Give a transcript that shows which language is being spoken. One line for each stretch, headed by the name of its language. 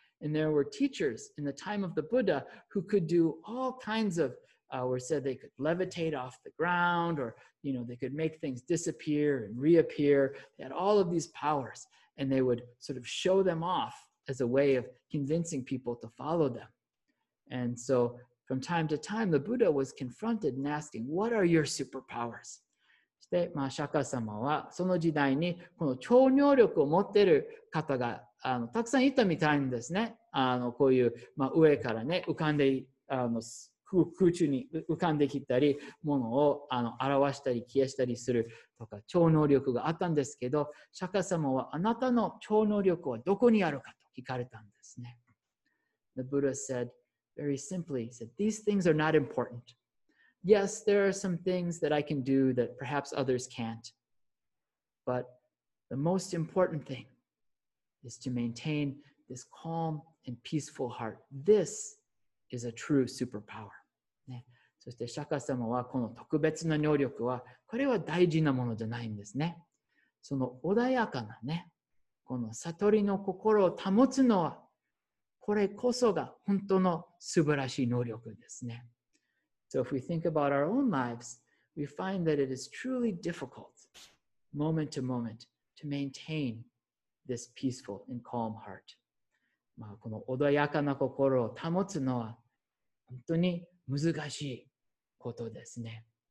English: And there were teachers in the time of the Buddha who could do all kinds of were said they could levitate off the ground, or you know, they could make things disappear and reappear. They had all of these powers, and they would sort of show them off as a way of convincing people to follow them. And so from time to time, the Buddha was confronted and asking, what are your superpowers?
Japanese: で、まあ、釈迦様はその時代にこの超能力を持っている方がたくさんいたみたいんですね。こういう、まあ、上からね、浮かんで空中に浮かんできたりものを表したり消したりするとか超能力があったんですけど、釈迦様はあなたの超能力はどこにあるかと聞かれたんですね。
English: The Buddha said very simply, he said, these things are not important. Yes, there are some things that I can do that perhaps others can't. But the most important thing is to maintain this calm and peaceful heart. This is a true superpower.、
Japanese: ね、そして釈迦様はこの特別な能力はこれは大事なものじゃないんですね。その穏やかなね、この悟りの心を保つのはこれこそが本当の素晴らしい能力ですね。
English: So if we think about our own lives, we find that it is truly difficult moment to moment to maintain this peaceful and calm heart.
Japanese: まあ、この穏やかな心を保つのは本当に難しいことですね。